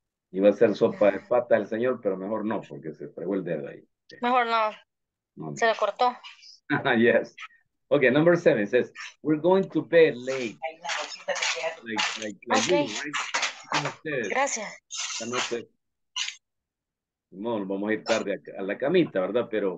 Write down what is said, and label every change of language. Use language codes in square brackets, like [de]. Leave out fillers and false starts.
[es] Iba a hacer sopa de pata el señor, pero mejor no, porque se fregó el dedo ahí. Mejor no. Se le cortó. [en] Yes. Okay, number seven says, we're going to bed late. Like okay. You, right? [es] Gracias. Esta noche, vamos a ir tarde a la camita, ¿verdad?